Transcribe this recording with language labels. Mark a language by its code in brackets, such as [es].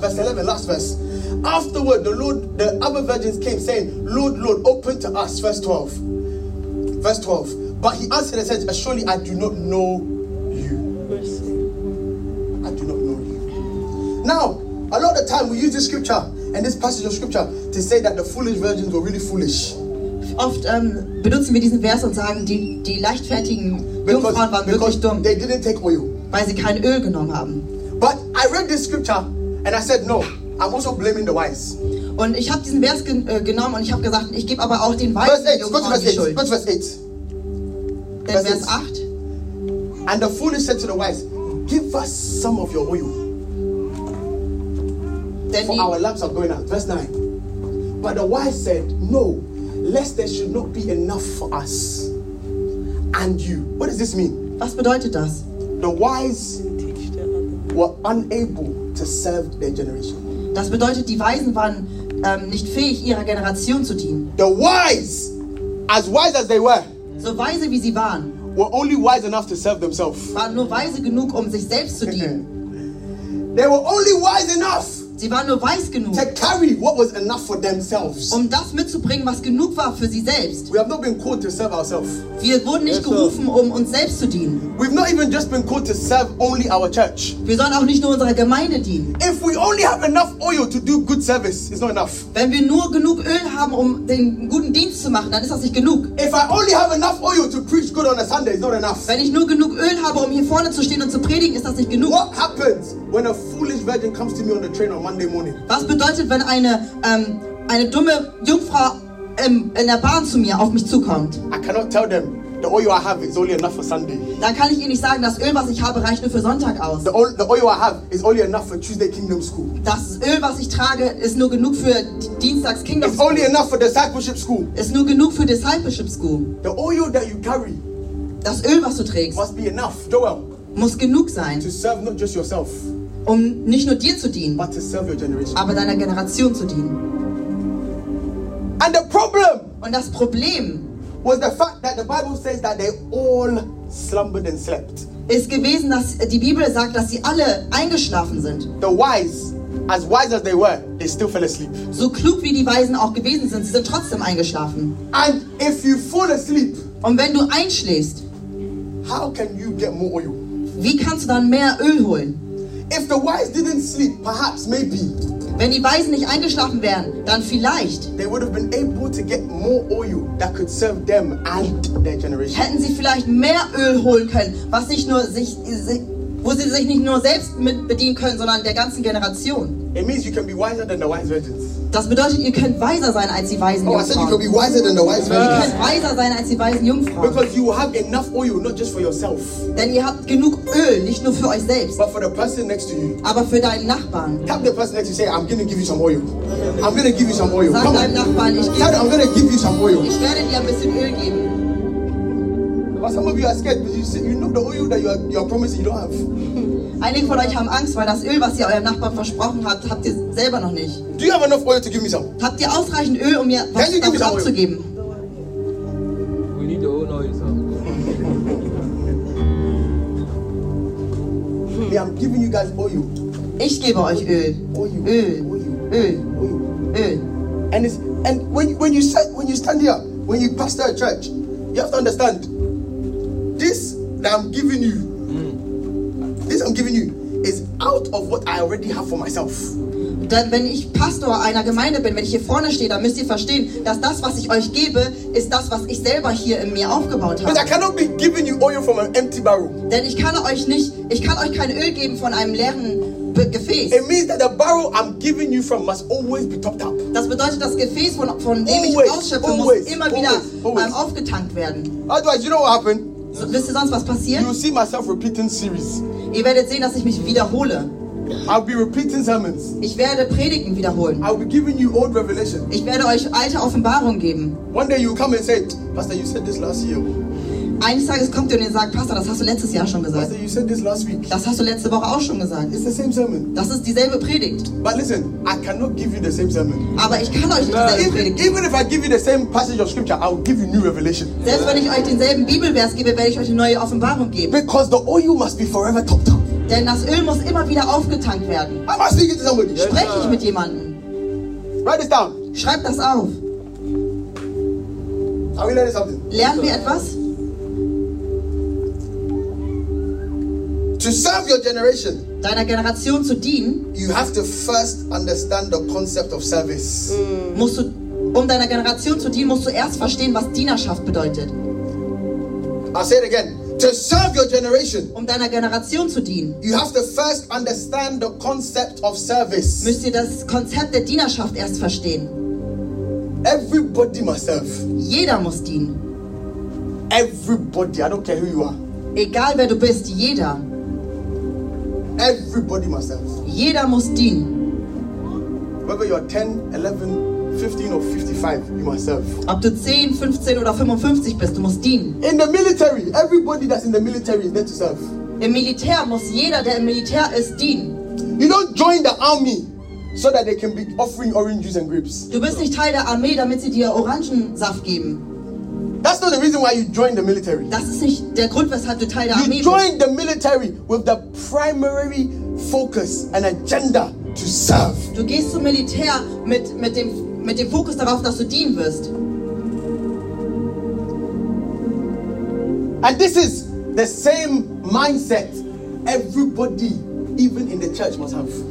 [en] Verse 11, last verse. Afterward, the other virgins came, saying, Lord, Lord, open to us. Verse 12. Verse 12. But he answered and said, surely I do not know you. I do not know you. Now, a lot of the time we use this scripture and this passage of scripture to say that the foolish virgins were really foolish. [de] Oft benutzen wir diesen Vers und sagen, die leichtfertigen Jungfrauen waren wirklich dumm. [en] They didn't take oil. [de] Weil sie kein Öl genommen haben. [en] But I read this scripture and I said, no, I'm also blaming the wise. [de] Und ich habe diesen Vers genommen und ich habe gesagt, ich gebe aber auch den weisen Jungfrauen die Schuld. Vers 8. [en] And the foolish said to the wise, give us some of your oil. Then for our lamps are going out. Verse 9. But the wise said, no, lest there should not be enough for us and you. What does this mean? [de] Was bedeutet das? [en] The wise were unable to serve their generation. [de] Das bedeutet, die Weisen waren nicht fähig, ihrer Generation zu dienen. [en] The wise as they were, [de] so weise wie sie waren, [en] were only wise enough to serve themselves. [de] Waren nur weise genug, um sich selbst zu dienen. [en] They were only wise enough. [de] Sie waren nur weiß genug, [en] to carry what was enough for themselves. [de] Um das mitzubringen, was genug war für sie selbst. [en] We have not been called to serve ourselves. [de] Wir wurden nicht gerufen, um uns selbst zu dienen. [en] We've not even just been called to serve only our church. [de] Wir sollen auch nicht nur unserer Gemeinde dienen. [en] If we only have enough oil to do good service, it's not enough. [de] Wenn wir nur genug Öl haben, um den guten Dienst zu machen, dann ist das nicht genug. [en] If I only have enough oil to preach good on a Sunday, it's not enough. [de] Wenn ich nur genug Öl habe, um hier vorne zu stehen und zu predigen, ist das nicht genug. [en] What happens when a foolish virgin comes to me on the train on Monday morning? [de] Was bedeutet, wenn eine dumme Jungfrau in der Bahn zu mir auf mich zukommt? [en] I cannot tell them the oil I have is only enough for Sunday. [de] Dann kann ich ihr nicht sagen, das Öl, was ich habe, reicht nur für Sonntag aus. [en] The oil I have is only enough for Tuesday Kingdom School. [de] Das Öl, was ich trage, ist nur genug für Dienstags Kingdom [en] School. It's only enough for Discipleship School. [de] Ist nur genug für Discipleship School. [en] The oil that you carry, [de] das Öl, was du trägst, [en] must be enough, Joel, [de] muss genug sein, [en] to serve not just yourself, [de] um nicht nur dir zu dienen, [en] but to serve your generation, [de] aber deiner Generation zu dienen. [en] And the problem, [de] und das Problem, [en] was the fact that the Bible says that they all slumbered and slept, [de] ist gewesen, dass die Bibel sagt, dass sie alle eingeschlafen sind. [en] The wise as they were, they still fell asleep. [de] So klug wie die Weisen auch gewesen sind, sie sind trotzdem eingeschlafen. [en] And if you fall asleep, [de] und wenn du einschläfst, [en] how can you get more oil? [de] Wie kannst du dann mehr Öl holen? [en] If the wise didn't sleep, perhaps, maybe, [de] wenn die Weisen nicht eingeschlafen wären, dann vielleicht, [en] they would have been able to get more oil that could serve them and their generation. [de] Hätten sie vielleicht mehr Öl holen können, was nicht nur sich, wo sie sich nicht nur selbst mit bedienen können, sondern der ganzen Generation. [en] It means you can be wiser than the wise virgins. [de] Das bedeutet, ihr könnt weiser sein als die weisen Jungfrauen. [en] Oh, I said you can be wiser than the wise virgins. [de] Ihr könnt weiser sein als die weisen Jungfrauen. [en] Because you have enough oil, not just for yourself. [de] Denn ihr habt genug Öl, nicht nur für euch selbst. [en] But for the person next to you. [de] Aber für deinen Nachbarn. [en] Tap the person next to you, say, I'm going to give you some oil. I'm going to give you some oil. [de] Sag deinem Nachbarn, [en] I'm going to give you some oil. [de] Ich werde dir ein bisschen Öl geben. [en] But some of you are scared because you know the oil that you are promising you don't have. [de] Einige von euch haben Angst, weil das Öl, was ihr eurem Nachbarn versprochen habt, habt ihr selber noch nicht. [en] Do you have enough oil to give me some? [de] Habt ihr ausreichend Öl, um mir was davon abzugeben? [en] We need the own oil, sir. I'm giving you guys oil. [de] Ich gebe euch Öl. [en] Oil. [de] Öl. [en] Oil. [de] Öl. [en] And it's, and when you stand here, when you pastor a church, you have to understand this that I'm giving you, this I'm giving you is out of what I already have for myself. [de] Denn wenn ich Pastor einer Gemeinde bin, wenn ich hier vorne stehe, dann müsst ihr verstehen, dass das, was ich euch gebe, ist das, was ich selber hier in mir aufgebaut habe. [en] But I cannot be giving you oil from an empty barrel. [de] Denn ich kann euch nicht, ich kann euch kein Öl geben von einem leeren Gefäß. [en] It means that the barrel I'm giving you from must always be topped up. [de] Das bedeutet, das Gefäß, von dem ich ausschöpfe, muss immer wieder aufgetankt werden. [en] Otherwise, you know what happened? [de] So, wisst ihr sonst, was passiert? [en] You'll see myself repeating series. [de] Ihr werdet sehen, dass ich mich wiederhole. [en] I'll be repeating sermons. [de] Ich werde Predigten wiederholen. [en] I'll be giving you old revelation. [de] Ich werde euch alte Offenbarungen geben. [en] One day you come and say, Pastor, you said this last year. [de] Eines Tages kommt ihr und ihr sagt, Pastor, das hast du letztes Jahr schon gesagt. [en] Pastor, you said this last week. [de] Das hast du letzte Woche auch schon gesagt. [en] It's the same sermon. [de] Das ist dieselbe Predigt. [en] But listen, I cannot give you the same sermon. [de] Aber ich kann euch nicht dieselbe Predigt geben. [en] Even if I give you the same passage of scripture, I'll give you new revelation. [de] Selbst wenn ich euch denselben Bibelvers gebe, werde ich euch eine neue Offenbarung geben. [en] Because the oil must be forever topped up. [de] Denn das Öl muss immer wieder aufgetankt werden. Spreche ich mit jemandem? [en] Write this down. [de] Schreib das auf. [en] Are we learning something? [de] Lernen wir etwas? [en] To serve your generation, [de] deiner Generation zu dienen, [en] you have to first understand the concept of service. [de] Musst du, um deiner Generation zu dienen, musst du erst verstehen, was Dienerschaft bedeutet. [en] I'll say it again. To serve your generation, [de] um deiner Generation zu dienen, [en] you have to first understand the concept of service. [de] Müsst ihr das Konzept der Dienerschaft erst verstehen. [en] Everybody must serve. [de] Jeder muss dienen. [en] Everybody, I don't care who you are. [de] Egal wer du bist, jeder. [en] Everybody must serve. [de] Jeder muss dienen. [en] Whether you're 10, 11, 15 or 55, you must serve. [de] Ob du 10, 15 oder 55 bist, du musst dienen. [en] In the military, everybody that's in the military is there to serve. [de] Im Militär muss jeder, der im Militär ist, dienen. [en] You don't join the army so that they can be offering orange juice and grapes. [de] Du bist nicht Teil der Armee, damit sie dir Orangensaft geben. [en] That's not the reason why you join the military. [de] Das ist nicht der Grund, weshalb du Teil der [en] you [de] Armee bist. [en] You join the military with the primary focus and agenda to serve. [de] Du gehst zum Militär mit dem Fokus darauf, dass du dienen wirst. [en] And this is the same mindset everybody, even in the church, must have.